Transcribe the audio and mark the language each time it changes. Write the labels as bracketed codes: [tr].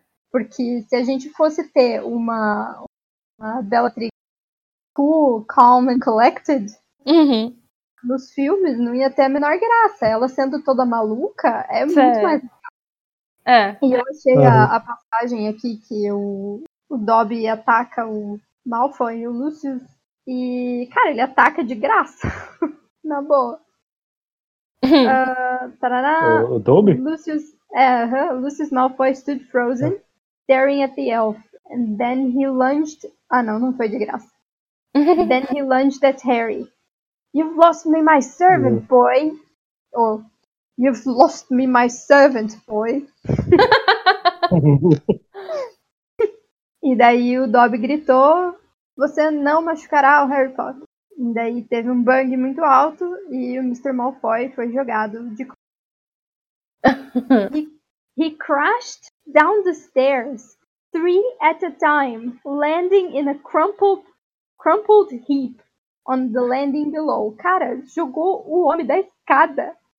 [pt] Porque se a gente fosse ter uma Bellatrix [en] cool, calm and collected [pt] nos filmes, não ia ter a menor graça. Ela sendo toda maluca é muito mais legal. E eu achei a passagem aqui que o Dobby ataca o Malfoy e o Lucius. E, cara, ele ataca de graça. Na boa. O Dobby? [en] Lucius Malfoy stood frozen, staring at the elf. And then he lunged... [pt] Ah, não, não foi de graça. [en] Then he lunged at Harry. You've lost me my servant, boy. Or, you've lost me my servant, boy. [pt] E daí o Dobby gritou... Você não machucará o Harry Potter. E daí teve um bang muito alto e o Mr. Malfoy foi jogado de... [en] he crashed down the stairs, 3 at a time, landing in a crumpled heap on the landing below. [pt] Cara, jogou o homem da escada.